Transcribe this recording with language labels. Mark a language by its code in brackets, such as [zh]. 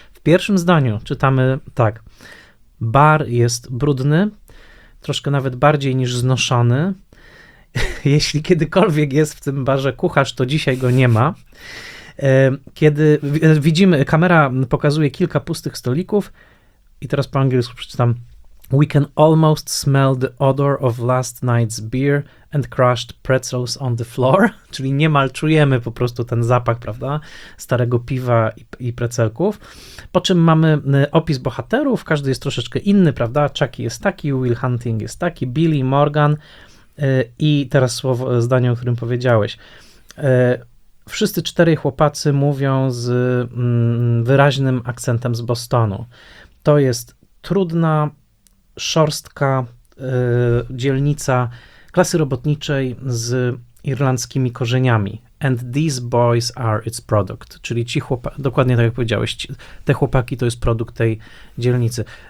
[pl] W pierwszym zdaniu czytamy tak. Bar jest brudny, troszkę nawet bardziej niż znoszony. Jeśli kiedykolwiek jest w tym barze kucharz, to dzisiaj go nie ma. Kiedy widzimy, kamera pokazuje kilka pustych stolików i teraz po angielsku przeczytam. [en] We can almost smell the odor of last night's beer and crushed pretzels on the floor. [pl] Czyli niemal czujemy po prostu ten zapach, prawda, starego piwa i precelków. Po czym mamy opis bohaterów, każdy jest troszeczkę inny, prawda? Chucky jest taki, Will Hunting jest taki, Billy, Morgan i teraz słowo, zdanie, o którym powiedziałeś. Wszyscy czterej chłopacy mówią z wyraźnym akcentem z Bostonu. To jest trudna, szorstka dzielnica klasy robotniczej z irlandzkimi korzeniami. [en] And these boys are its product. [pl] Czyli ci chłopaki, dokładnie tak jak powiedziałeś, te chłopaki to jest produkt tej dzielnicy.